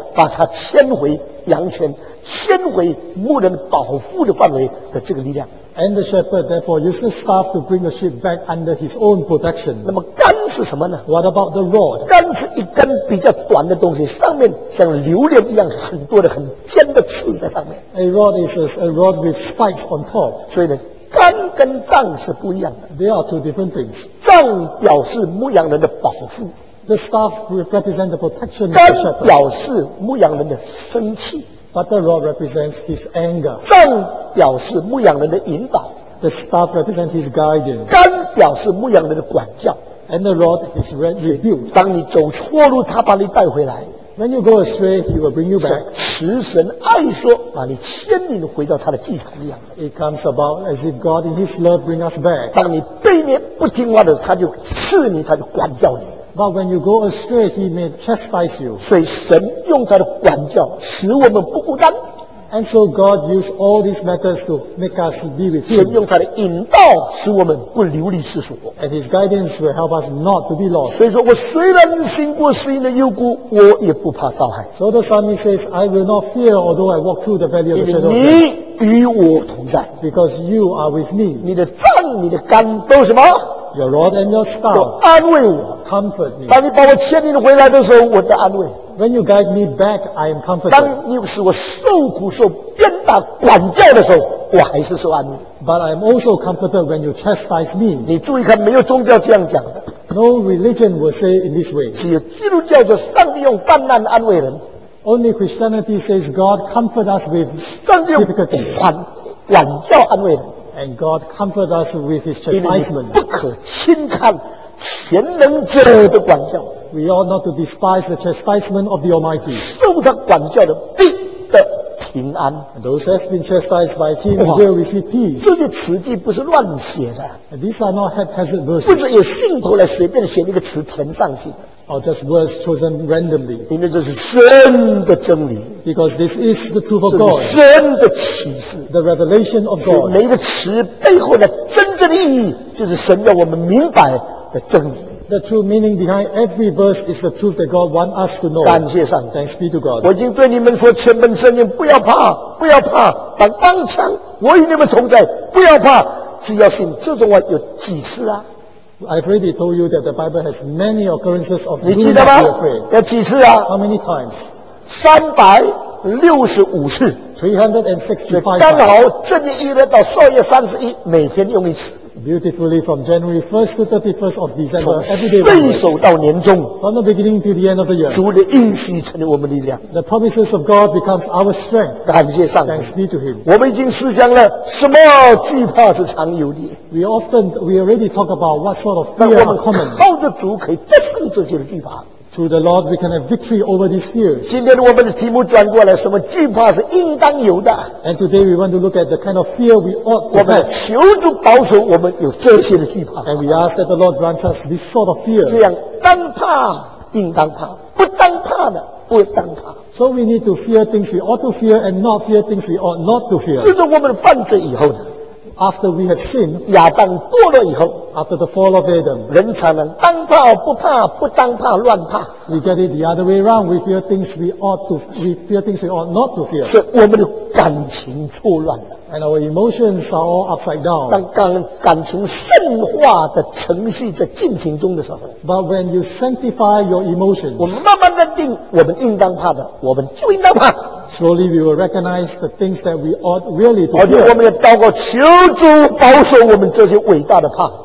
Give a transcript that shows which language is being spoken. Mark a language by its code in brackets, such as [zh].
[zh] 把它牵回羊圈，牵回牧人保护的范围的这个力量。 [en] And the shepherd therefore uses the staff to bring the sheep back under his own protection. [zh] 那么杆是什么呢 [en] ？What about the rod? [zh] 杆是一根比较短的东西，上面像榴莲一样很多的很尖的刺在上面。 [en] A rod is a rod with spikes on top. [zh] 所以呢，杆跟杖是不一样的。 [en] They are two different things. [zh] 杖表示牧羊人的保护。 [en] The staff represent the protection of the shepherd. [zh] 杆表示牧羊人的生气。 [en] The But the rod represents his anger. [zh] 杖表示牧羊人的引导。 [en] The staff represents his guidance. [zh] 杆表示牧羊人的管教。 [en] And the rod is rebuke. [zh] 当你走错路，他把你带回来。 [en] When you go astray, he will bring you back. [zh] 慈神爱说，把你牵引回到他的祭坛一样。 [en] It comes about as if God in his love bring us back. [zh] 当你背逆不听话的，他就斥你，他就管教你。 [en] But when you go astray, he may chastise you. [zh] 所以神用他的管教使我们不孤单。 [en] And so God used all these methods to make us be with him. [zh] 神用他的引导使我们不流离失所。 [en] And his guidance will help us not to be lost. [zh] 所以说我虽然行过死荫的幽谷，我也不怕遭害。 [en] So the psalmist says, I will not fear although I walk through the valley of the shadow of [zh] death. 因为你与我同在。 [en] Because you are with me. [zh] 你的杖，你的杆都什么？ [en] Your rod and your staff [zh] 都安慰我 [en] ，comfort me。 [zh] 当你把我牵引回来的时候，我的安慰。 [en] When you guide me back, I am comforted。 [zh] 当你使我受苦、受鞭打、管教的时候，我还是受安慰。 [en] But I am also comforted when you chastise me。 [zh] 你注意看，没有宗教这样讲的。 [en] No religion will say in this way。 [zh] 只有基督教说，上帝用患难安慰人。 [en] Only Christianity says God comfort us with difficulties。 [zh] 上帝管教安慰人。 [en] And God comfort us with His chastisement. [zh] 不可轻看全能者的管教。 [en] We ought not to despise the chastisement of the Almighty. [zh] 受他管教的必得平安。 [en] And those who have been chastised by Him will receive peace. [zh] 这些词句不是乱写的。 [en] And these are not haphazard verses. [zh] 不是由信徒来随便写一个词填上去的。 [en] Or just words chosen randomly. [zh] 因为这是神的真理。 [en] Because this is the truth of God. [zh] 神的启示。 [en] The revelation of God. [zh] 每个词背后的真正的意义，就是神要我们明白的真理。 [en] The true meaning behind every verse is the truth that God wants us to know. [zh] 感谢上帝。 [en] Thanks be to God. [zh] 我已经对你们说，全本圣经不要怕，不要怕，但当枪，我与你们同在，不要怕，只要信。这种话有几次啊？ [en] I've already told you that the Bible has many occurrences of being afraid. [zh] 你记得吗？有几次啊 [en] ？How many times? [zh] 365次。 [en] 365。 [zh] 刚好正月一日到12月31日，每天用一次。 [en] Beautifully, from January 1st to 31st of December, every day. [zh] 从岁首到年终。 [en] From the beginning to the end of the year. [zh] 主的应许成为我们力量。 [en] The promises of God becomes our strength. [zh] 感谢上帝。 [en] Thanks be to Him. [zh] 我们已经思想了什么惧怕是常有的。 [en] We already talk about what sort of fear are common. [zh] 靠着主可以得胜这些惧怕。 [en] Through the Lord, we can have victory over these fears. [zh] 今天我们的题目转过来，什么惧怕是应当有的。 [en] And today we want to look at the kind of fear we ought to have. [zh] 我们求主保守我们有这些的惧怕。 [en] And we ask that the Lord grant us this sort of fear. [zh] 这样当怕应当怕，不当怕的不当怕。 [en] So we need to fear things we ought to fear and not fear things we ought not to fear. [zh] 自从我们犯罪以后呢？ [en] After we have sinned, [zh] 亚当堕落以后 [en] ，After the fall of Adam, [zh] 人才能当怕不怕，不当怕乱怕。 [en] We get it the other way round. We fear things we ought to, we fear things we ought not to fear. [zh] 是我们的感情错乱了 [en] ，And our emotions are all upside down. [zh] 当感情圣化的程序在进行中的时候 [en] ，But when you sanctify your emotions, [zh] 我们慢慢认定我们应当怕的，我们就应当怕。 [en] Slowly we will recognize the things that we ought really to fear. [zh] 而且我们也祷告求主保守我们这些伟大的怕。